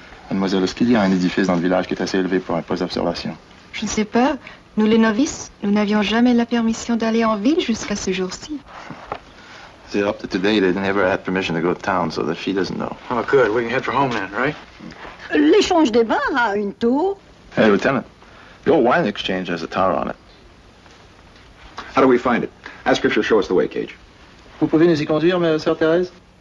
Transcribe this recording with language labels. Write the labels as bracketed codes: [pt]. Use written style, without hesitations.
[fr] Mademoiselle, est-ce qu'il y a un édifice dans le village qui est assez élevé pour un poste d'observation? Je ne sais pas. Nous, les novices, nous n'avions jamais la permission d'aller en ville jusqu'à ce jour-ci. [en] See, up to today, they never had permission to go to town, so the fee doesn't know. Oh, good. We can head for home then, right? [fr] L'échange des bains a une tour. [en] Hey, Lieutenant, your wine exchange has a tower on it. How do we find it? Ask if she'll show us the way, Cage. [fr] Vous pouvez nous y conduire, ma sœur Thérèse?